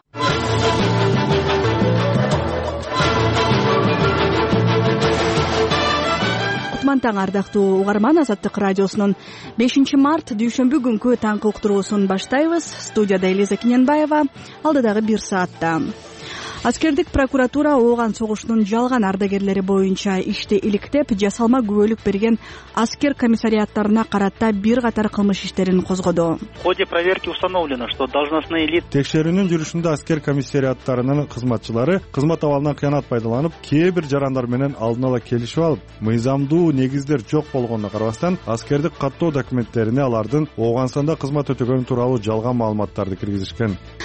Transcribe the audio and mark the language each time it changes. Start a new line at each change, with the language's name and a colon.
Kyrgyz: Кутман таң, ардактуу угарман, Азаттык радиосунун 5 март дүйшөмбү күнкү таңкы уктуруусун баштайбыз. Студияда Элиза Кененбаева, алдыдагы бир саатта. Аскердик прокуратура Ооган согушунун жалган ардагерлери боюнча ишти иликтеп, жасалма күбөлүк берген аскер комиссариаттарына карата бир катар кылмыш иштерин козгоду.
Russian: В ходе проверки установлено, что должностные лица
Kyrgyz: текшерүүнүн жүрүшүндө аскер комиссариаттарынын кызматчылары кызмат абалынан кыянат пайдаланып, кээ бир жарандар менен алдын ала келишип алып, мыйзамдуу негиздер жок болгонуна карабастан, аскердик каттоо документтерине алардын Ооганстанда кызмат өтөгөнү тууралуу жалган маалыматтарды киргизишкен.